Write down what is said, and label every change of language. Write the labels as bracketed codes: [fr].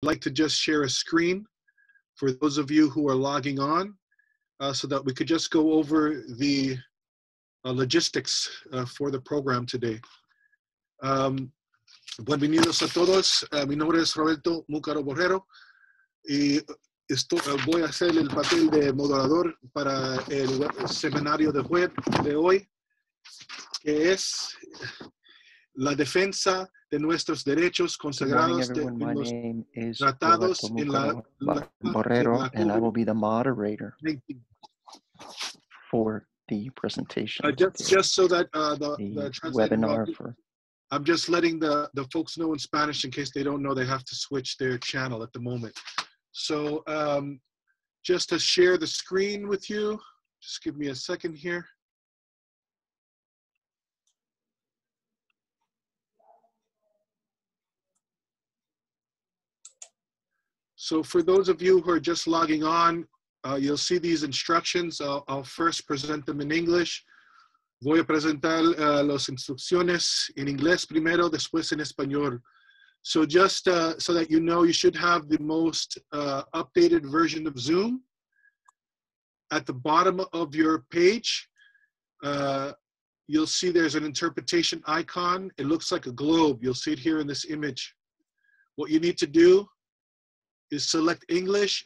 [en] I'd like to just share a screen for those of you who are logging on so that we could just go over the logistics for the program today. [es] Bienvenidos a todos. Mi nombre es Roberto Mucaro Borrero y esto, voy a hacer el papel de moderador para el seminario de web de hoy, que es la defensa de nuestros derechos consagrados en los tratados en la [en] Borrero, and I will be the moderator for the presentation. Just so that the webinar for, I'm just letting the folks know in Spanish in case they don't know they have to switch their channel at the moment. So just to share the screen with you, just give me a second here. So for those of you who are just logging on, you'll see these instructions. I'll first present them in English. [es] Voy a presentar las instrucciones en inglés primero, después en español. [en] So just so that you know, you should have the most updated version of Zoom. At the bottom of your page, you'll see there's an interpretation icon. It looks like a globe. You'll see it here in this image. What you need to do is select English.